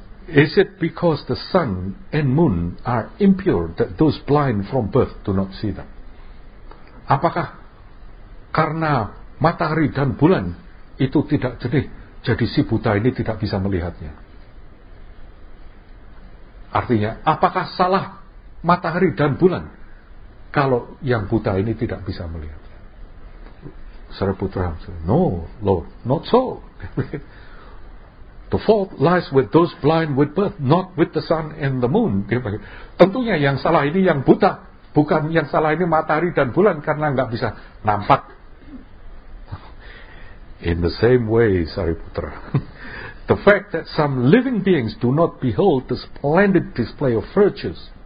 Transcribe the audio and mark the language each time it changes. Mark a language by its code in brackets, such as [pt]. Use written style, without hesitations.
[en] Is it because the sun and moon are impure that those blind from birth do not see them? [id] Apakah karena matahari dan bulan itu tidak jernih, jadi si buta ini tidak bisa melihatnya? Artinya, apakah salah matahari dan bulan kalau yang buta ini tidak bisa melihat? [en] Sariputra, no, Lord, not so. The fault lies with those blind with birth, not with the sun and the moon. [id] Tentunya yang salah ini yang buta, bukan yang salah ini matahari dan bulan karena enggak bisa nampak. [en] In the same way, Sariputra, the fact that some living beings do not behold the splendid display of virtues,